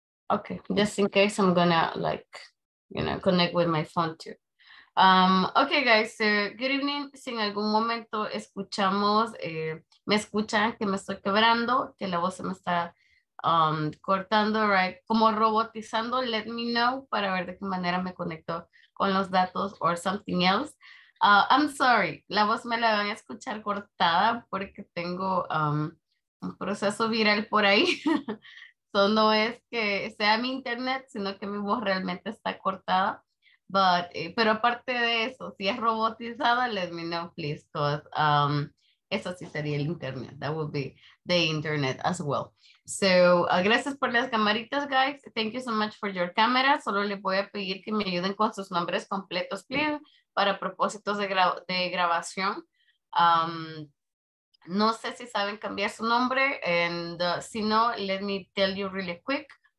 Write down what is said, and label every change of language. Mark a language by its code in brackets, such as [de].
[en] Okay, just in case I'm gonna like, you know, connect with my phone too. Okay, guys, so good evening. [es] Si en algún momento escuchamos, me escuchan que me estoy quebrando, que la voz se me está cortando, right, como robotizando, [en] let me know [es] para ver de qué manera me conecto con los datos [en] or something else. I'm sorry, [es] la voz me la van a escuchar cortada porque tengo un proceso viral por ahí. So no es que sea mi internet, sino que mi voz realmente está cortada. But, pero aparte de eso, si es robotizada, [en] let me know, please, because [es] eso sí sería el internet. [en] That would be the internet as well. So, [es] gracias por las camaritas, [en] guys. Thank you so much for your camera. [es] Solo les voy a pedir que me ayuden con sus nombres completos, please, para propósitos de grabación. No sé si saben cambiar su nombre. [en] And [es] si no, [en] let me tell you really quick.